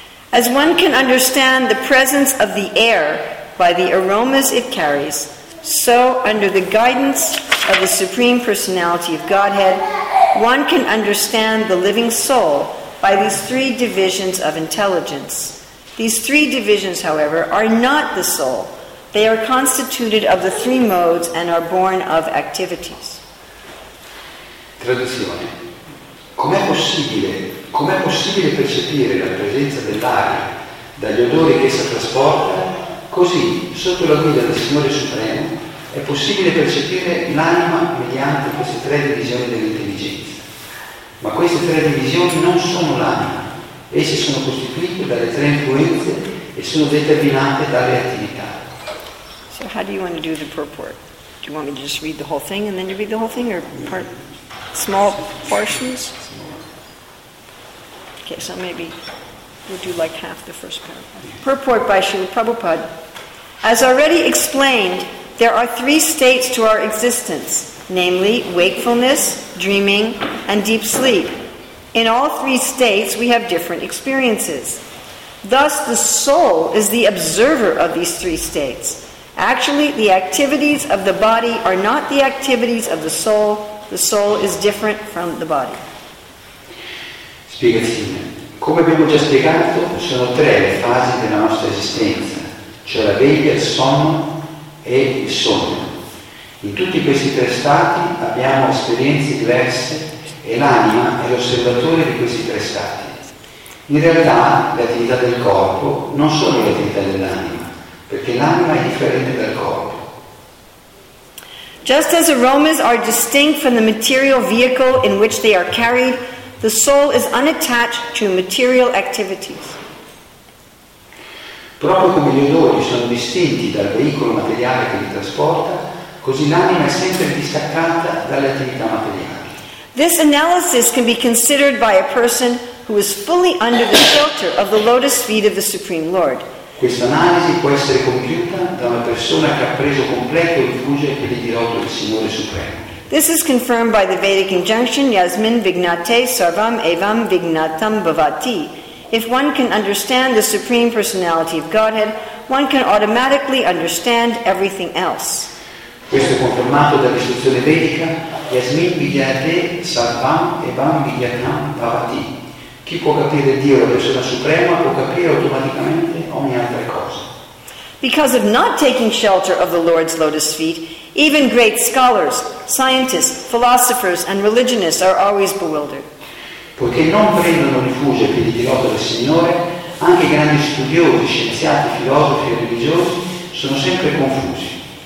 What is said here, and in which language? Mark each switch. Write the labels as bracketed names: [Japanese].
[English] As one can understand the presence of the air by the aromas it carries, so under the guidance of the Supreme Personality of Godhead, one can understand the living soul by these three divisions of intelligence. These three divisions, however, are not the soul. They are constituted of the three modes and are born of activities. [Italian] Traduzione. Com'è possibile percepire la presenza dell'aria dagli odori che essa trasporta? Così, sotto la guida del Signore Supremo, è possibile percepire l'anima mediante queste tre divisioni dell'intelligenza. Ma queste tre divisioni non sono l'anima. Esse sono costituite dalle tre influenze e sono determinate dalle attività. [English] So how do you want to do the purport? Do you want me to just read the whole thing and then you read the whole thing or part small portions? Okay, so maybe we'll do like half the first paragraph. Purport by Srila Prabhupada. As already explained, there are three states to our existence, namely wakefulness, dreaming, and deep sleep. In all three states, we have different experiences. Thus, the soul is the observer of these three states. Actually, the activities of the body are not the activities of the soul. The soul is different from the body. [Italian] Spiegazione. Come abbiamo già spiegato, sono tre le fasi della nostra esistenza, cioè la veglia, il sonno e il sogno. In tutti questi tre stati abbiamo esperienze diverse e l'anima è l'osservatore di questi tre stati. In realtà, le attività del corpo non sono le attività dell'anima, perché l'anima è differente dal corpo. [English] Just as aromas are distinct from the material vehicle in which they are carried, The soul is unattached to material activities. [Italian] Proprio come gli odori sono distinti dal veicolo materiale che li trasporta, così l'anima è sempre distaccata dalle attività materiali. [English] This analysis can be considered by a person who is fully under the shelter of the lotus feet of the Supreme Lord. [Italian] Questa analisi può essere compiuta da una persona che ha preso completo rifugio ai piedi di loto del Signore Supremo. [English] This is confirmed by the Vedic injunction Yasmin Vignate Sarvam Evam Vignatam Bhavati. If one can understand the Supreme Personality of Godhead, one can automatically understand everything else. [Italian] Questo è confermato dall'istruzione vedica Yasmin Vignate Sarvam Evam Vignatam Bhavati. Chi può capire Dio, la persona suprema, può capire automaticamente ogni altra cosa. [English] Because of not taking shelter of the Lord's lotus feet, even great scholars, scientists, philosophers, and religionists are always bewildered. [Italian] Poiché non prendono rifugio ai piedi di loto del Signore, anche grandi studiosi, scienziati, filosofi e religiosi sono sempre confusi.